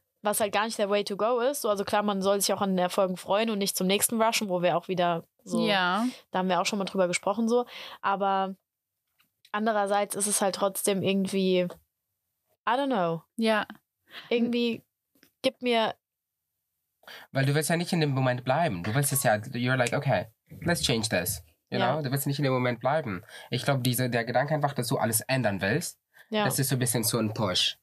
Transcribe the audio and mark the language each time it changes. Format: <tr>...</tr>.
<de>Was halt gar nicht der</de> <en>Way to go</en> <de>ist. So, also klar, man soll sich auch an den Erfolgen freuen und nicht zum nächsten rushen, wo wir auch wieder so, da haben wir auch schon mal drüber gesprochen. So. Aber andererseits ist es halt trotzdem irgendwie,</de> <en>I don't know.</en> <de>Ja. Irgendwie gibt mir... Weil du willst ja nicht in dem Moment bleiben. Du willst es ja,</de> <en>you're like, okay, let's change this. You know?</en> <de>Du willst nicht in dem Moment bleiben. Ich glaube, der Gedanke einfach, dass du alles ändern willst, das ist so ein bisschen so ein Push.</de>